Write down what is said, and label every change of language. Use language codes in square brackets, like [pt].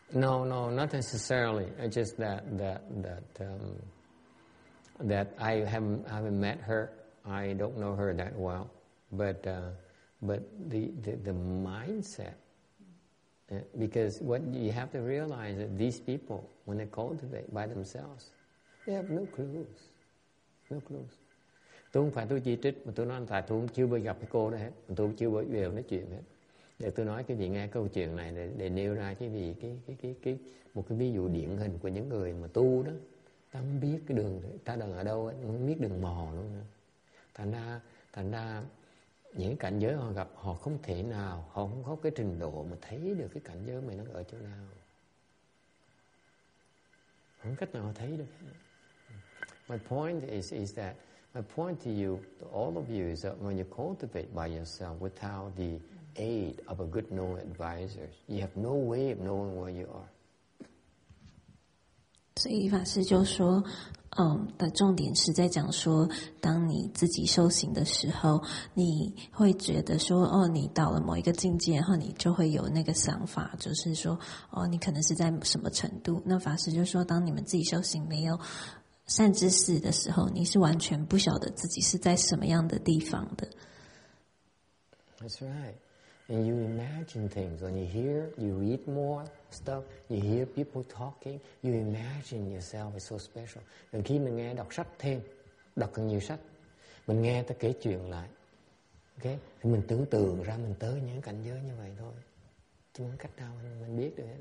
[en] No, no, not necessarily. It's just that I haven't met her. I don't know her that well. But the mindset, because what you have to realize that these people, when they cultivate by themselves, they have no clues. No clues. [vi] Tôi không phải tôi chỉ trích, mà tôi nói là tôi cũng chưa bao giờ gặp cái cô đó hết. Mà tôi cũng chưa bao giờ nói chuyện hết. Để tôi nói cái vị nghe câu chuyện này để nêu ra cái vị cái một cái ví dụ điển hình của những người mà tu đó, ta không biết cái đường, ta đang ở đâu, không biết đường mò luôn nữa. Thành ra những cảnh giới họ gặp, họ không thể nào, họ không có cái trình độ mà thấy được cái cảnh giới mày nó ở chỗ nào, không cách nào họ thấy được. [en] My point to you, to all of you, is that when you cultivate by yourself without the aid of a good known advisor, you have no way of knowing where you are. [zh] 所以法师就说, 的重点是在讲说, 当你自己修行的时候, 你会觉得说, 哦, 你到了某一个境界, 然后你就会有那个想法, 就是说, 哦, 你可能是在什么程度, 那法师就说, 当你们自己修行, 没有, 善知识的时候, 你是完全不晓得自己是在什么样的地方的。 [en] That's right. And you imagine things. When you hear, you read more stuff, you hear people talking, you imagine yourself is so special. [vi] Và khi mình nghe đọc sách thêm, đọc càng nhiều sách, mình nghe ta kể chuyện lại. Okay? Thì mình tưởng tượng ra mình tới những cảnh giới như vậy thôi. Chứ không cách nào mình biết được.